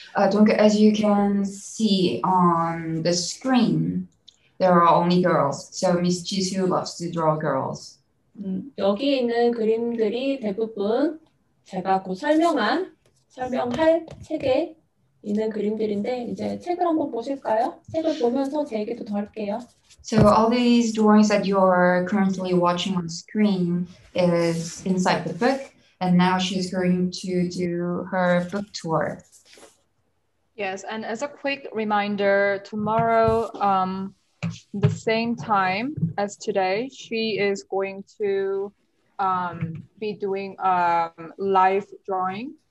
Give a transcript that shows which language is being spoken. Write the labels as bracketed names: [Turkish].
[French] Donc [English] as you can see on the screen, there are only girls. So Ms. Jisu loves to draw girls. [Korean] 여기 있는 그림들이 대부분 제가 곧 설명할 책에 있는 그림들인데 이제 책을 한번 보실까요? 책을 보면서 제 얘기도 더 할게요. [English] So all these drawings that you're currently watching on screen is inside the book, and now she's going to do her book tour. Yes, and as a quick reminder, tomorrow, the same time as today, she is going to be doing a live drawing.